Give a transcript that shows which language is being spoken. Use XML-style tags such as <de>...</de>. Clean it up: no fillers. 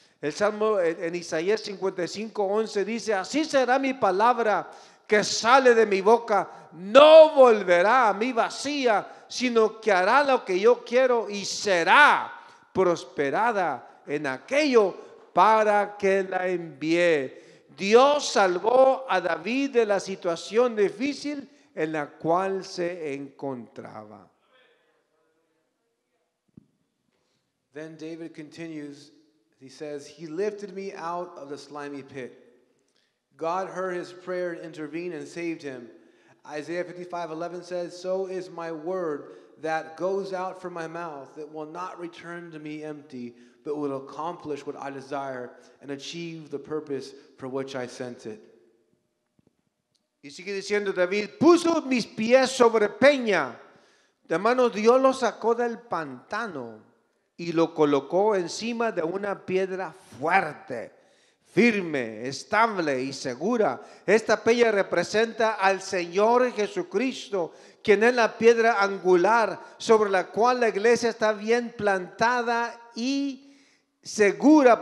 <es>El Salmo en Isaías 55:11 dice, así será mi palabra que sale de mi boca, no volverá a mí vacía, sino que hará lo que yo quiero y será prosperada en aquello para que la envié. Dios salvó a David de la situación difícil en la cual se encontraba.</es> <en>Then David continues, he says, he lifted me out of the slimy pit. God heard his prayer and intervened and saved him. Isaiah 55:11 says, so is my word that goes out from my mouth, that will not return to me empty, but will accomplish what I desire and achieve the purpose for which I sent it.</en> <es>Y sigue diciendo David, puso mis pies sobre peña. De mano Dios lo sacó del pantano y lo colocó encima de una piedra fuerte, firme, estable y segura. Esta peña representa al Señor Jesucristo, quien es la piedra angular sobre la cual la iglesia está bien plantada y segura.</es>